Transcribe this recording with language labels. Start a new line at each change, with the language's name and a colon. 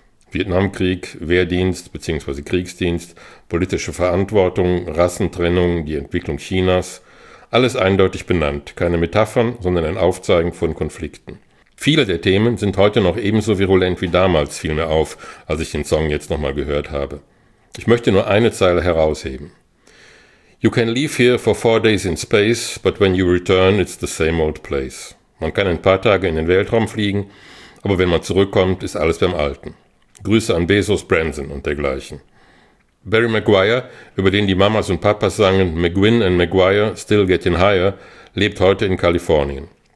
German: Vietnamkrieg, Wehrdienst bzw. Kriegsdienst, politische Verantwortung, Rassentrennung, die Entwicklung Chinas. Alles eindeutig benannt, keine Metaphern, sondern ein Aufzeigen von Konflikten. Viele der Themen sind heute noch ebenso virulent wie damals, fiel mir auf, als ich den Song jetzt nochmal gehört habe. Ich möchte nur eine Zeile herausheben.
English: You can leave here for 4 days in space, but when you return, it's the same old place.
German: Man kann ein paar Tage in den Weltraum fliegen, aber wenn man zurückkommt, ist alles beim Alten. Grüße an Bezos, Branson und dergleichen. Barry McGuire, über den die Mamas und Papas sangen McGuinn and McGuire, Still Getting Higher, lebt heute in Kalifornien.